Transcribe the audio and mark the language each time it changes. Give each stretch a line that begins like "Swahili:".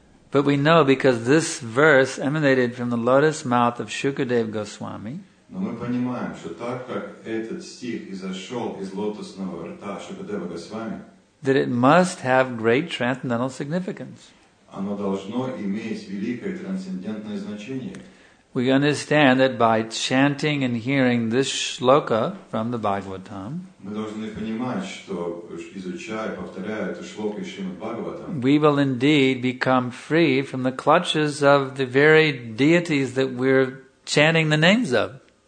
English: But we know because this verse emanated from the lotus mouth of Shukadev Goswami.
Russian: Но мы понимаем, что так как этот стих изошел из лотосного рта Шукадева Госвами,
English: that it must have great transcendental significance.
Russian: Оно должно иметь великое трансцендентное значение.
English: We understand that by chanting and hearing this shloka from the Bhagavatam,
Russian: мы должны понимать, что изучая, повторяя эту шлоку из Шримад Бхагаватам,
English: we will indeed become free from the clutches of the very deities that we're chanting the names of.